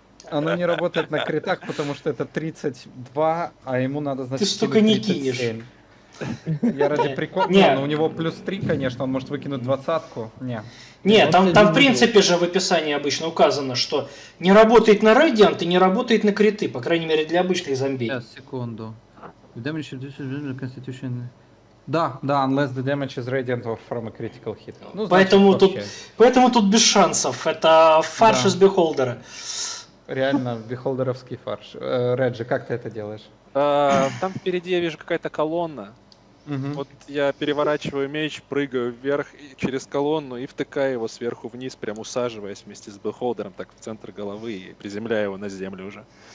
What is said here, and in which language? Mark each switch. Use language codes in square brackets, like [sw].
[ru] Оно не работает на критах, потому что это 32, а ему надо, значит, кинуть 37. Ты столько не кинешь. Я ради прикола, но у него плюс 3, конечно, он может выкинуть 20-ку. Там в принципе же в описании обычно указано, что не работает на радиант и не работает на криты, по крайней мере для обычных зомби. Сейчас, секунду. [en] The damage reduces the constitution. [ru] Да, да, [en] unless the damage is radiant or from a critical hit. [ru] Ну, значит, поэтому, поэтому тут без шансов. Это фарш из бихолдера. Реально, бихолдеровский фарш. Реджи, как ты это делаешь? Там впереди я вижу какая-то колонна. Uh-huh. Вот я переворачиваю меч, прыгаю вверх через колонну и втыкаю его сверху вниз, прям усаживаясь вместе с бихолдером так в центр головы и приземляю его на землю уже.